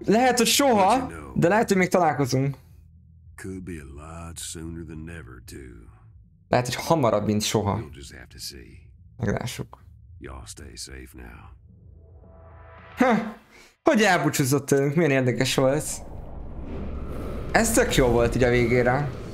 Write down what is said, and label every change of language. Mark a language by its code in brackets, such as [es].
[hu] Lehet, hogy soha, [en] you know, [hu] de lehet, hogy még találkozunk. [en] Could be a lot sooner than never, too. [hu] Lehet, hogy hamarabb, mint soha. Meglássuk. [en] Y'all stay safe now. [hu] Hogy elbúcsúzott tőlünk, milyen érdekes volt. Ez tök jó volt így a végére.